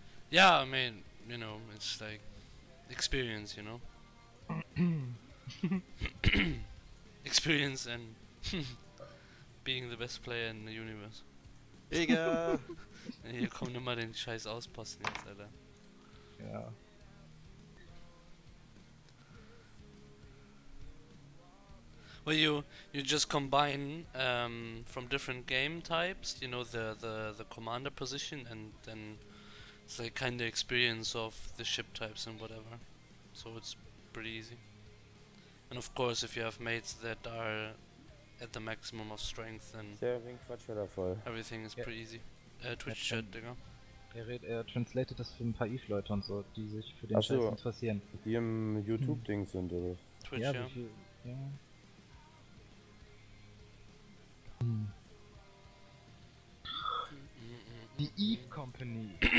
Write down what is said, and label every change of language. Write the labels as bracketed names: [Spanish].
[English] Ja, I mean, you know, it's like experience, you know? Experience and being the best player in the universe. [German] Digga! Hier kommt immer den scheiß Ausposten jetzt, Alter. Ja. [English] Well, you just combine from different game types, you know, the commander position and then it's like kind of experience of the ship types and whatever, so it's pretty easy. And of course, if you have mates that are at the maximum of strength, then everything is pretty easy. [German] Twitch Chat, Digga. Er translated das für ein paar EVE-Leute und so, die sich für den Scheiß so interessieren. Die im YouTube-Ding sind, oder? Twitch, ja. Ja. Die Eve Company.